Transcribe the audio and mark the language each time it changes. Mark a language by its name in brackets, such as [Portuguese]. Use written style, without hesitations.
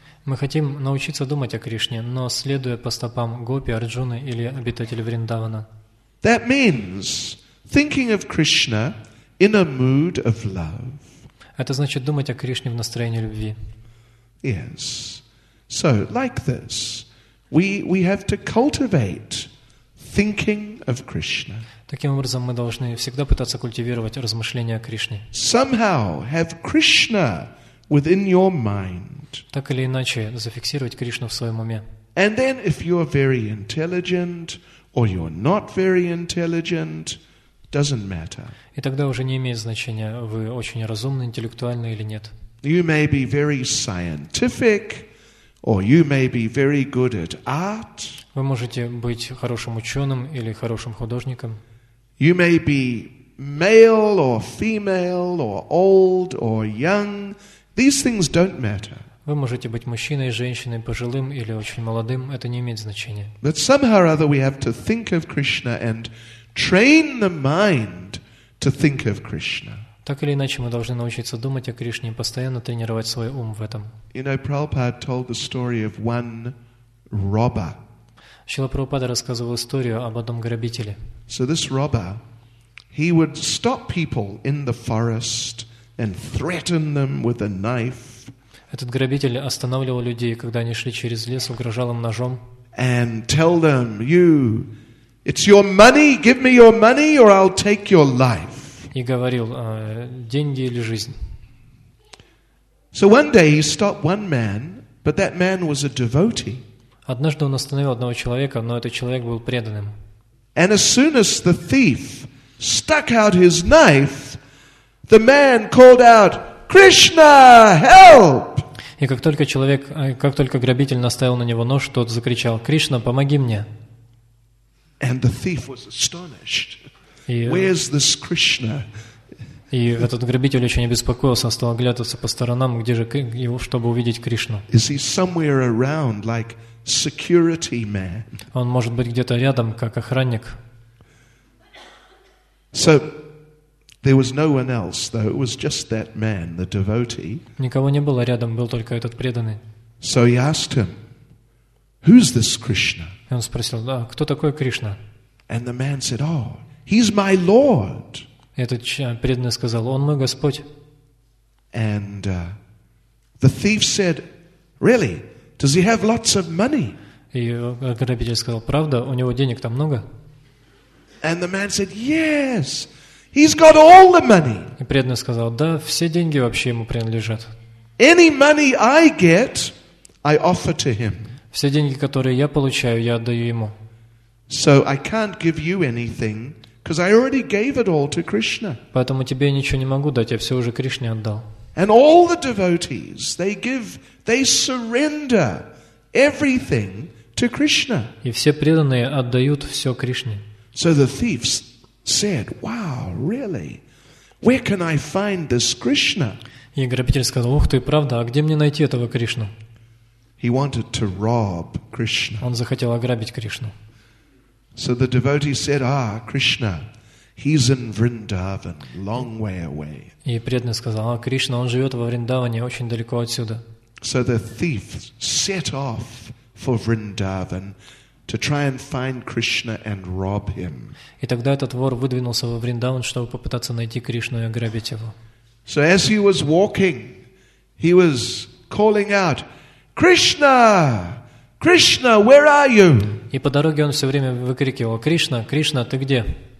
[Russian] Мы хотим научиться думать о Кришне, но следуя по стопам гопи, Арджуны или обитателей Вриндавана. [English] That means thinking of Krishna in a mood of love. [Russian] Это значит думать о Кришне в настроении любви. [English] Yes. So, like this, we have to cultivate thinking of Krishna. [Russian] Таким образом, мы должны всегда пытаться культивировать размышления о Кришне. [English] Somehow have Krishna within your mind. [Russian] Так или иначе, зафиксировать Кришну в своем уме. [English] And then, if you're very intelligent or you're not very intelligent, doesn't matter. [Russian] И тогда уже не имеет значения, вы очень разумны, интеллектуальны или нет. [English] You may be very scientific, or you may be very good at art. [Russian] Вы можете быть хорошим ученым или хорошим художником. [English] You may be male or female or old or young. These things don't matter. [Russian] Вы можете быть мужчиной, женщиной, пожилым или очень молодым. Это не имеет значения. [English] But somehow or other we have to think of Krishna and train the mind to think of Krishna. [Russian] Так или иначе, мы должны научиться думать о Кришне и постоянно тренировать свой ум в этом. [English] You know, Prabhupada told the story of one robber. [Russian] Шрила Прабхупада рассказывал историю об одном грабителе. [English] So this robber, he would stop people in the forest and threaten them with a knife. [Russian] Этот грабитель останавливал людей, когда они шли через лес, угрожал им ножом. [English] And tell them, you, it's your money, give me your money or I'll take your life. [Russian] И говорил, деньги или жизнь. [English] So one day he stopped one man, but that man was a devotee. [Russian] Однажды он остановил одного человека, но этот человек был преданным. [English] And as soon as the thief stuck out his knife, the man called out, "Krishna, help!" [Russian] И как только человек, как только грабитель наставил на него нож, тот закричал, "Кришна, помоги мне!" [English] And the thief was astonished. Where's this Krishna? [Russian] И этот грабитель очень обеспокоился, стал оглядываться по сторонам, где же его, чтобы увидеть Кришну. [English] Is he somewhere around, like? Security man. [Russian] Он может быть где-то рядом, как охранник. [English] So there was no one else, though it was just that man, the devotee. [Russian] Никого не было рядом, был только этот преданный. [English] So he asked him, "Who's this Krishna?" [Russian] И он спросил, да, кто такой Кришна? [English] And the man said, "Oh, he's my Lord." [Russian] Этот преданный сказал, он мой Господь. [English] And the thief said, "Really? Does he have lots of money?" [Russian] И грабитель сказал, правда, у него денег там много? [English] And the man said, "Yes, he's got all the money." [Russian] И преданный сказал, да, все деньги вообще ему принадлежат. [English] Any money I get, I offer to him. [Russian] Все деньги, которые я получаю, я отдаю ему. [English] So I can't give you anything because I already gave it all to Krishna. [Russian] Поэтому тебе ничего не могу дать, я все уже Кришне отдал. [English] And all the devotees, they give, they surrender everything to Krishna. [Russian] И все преданные отдают все Кришне. [English] So the thief said, "Wow, really? Where can I find this Krishna?" [Russian] И грабитель сказал, "Ух ты, правда, а где мне найти этого Кришну?" [English] He wanted to rob Krishna. [Russian] Он захотел ограбить Кришну. [English] So the devotee said, "Ah, Krishna. He's in Vrindavan, long way away." [Russian] И преданный сказал, а Кришна, он живет во Вриндаване, очень далеко отсюда. [English] So the thief set off for Vrindavan to try and find Krishna and rob him. [Russian] И тогда этот вор выдвинулся во Вриндаван, чтобы попытаться найти Кришну и ограбить его. [English] So as he was walking, he was calling out, "Krishna, Krishna, where are you?" [Russian] И по дороге он все время выкрикивал, "Кришна, Кришна, ты где?"